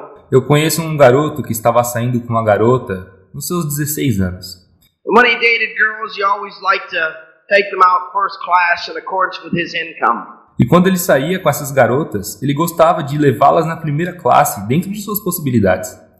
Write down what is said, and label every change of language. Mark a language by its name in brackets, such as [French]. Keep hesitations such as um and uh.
[Portuguese] Eu conheço um garoto que estava saindo com uma garota nos seus 16 anos. [English] And when he dated girls, he always liked to take them out first class in accordance with his income. [Portuguese] E quando ele saía com essas garotas, ele gostava de levá-las na primeira classe, dentro de suas possibilidades.